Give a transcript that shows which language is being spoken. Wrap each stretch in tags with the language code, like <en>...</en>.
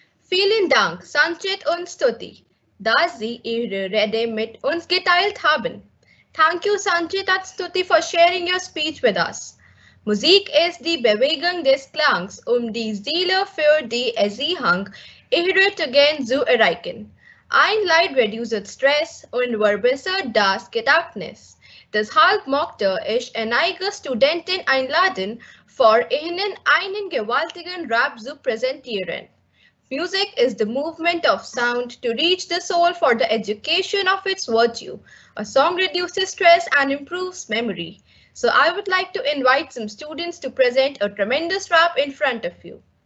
<de>Vielen Dank, Sanskrit und Stuti, dass Sie Ihre Rede mit uns geteilt haben.</de> <en>Thank you, Sanskrit und Stuti, for sharing your speech with us.</en> <de>Musik ist die Bewegung des Klangs, die Seele für die Erziehung, Ihre Tugend zu erreichen. Ein Lied reduziert Stress und verbessert das Gedächtnis. Deshalb mochte ich einige Studenten einladen, vor Ihnen einen gewaltigen Rap zu präsentieren.</de> <en>Music is the movement of sound to reach the soul for the education of its virtue. A song reduces stress and improves memory. So I would like to invite some students to present a tremendous rap in front of you.</en>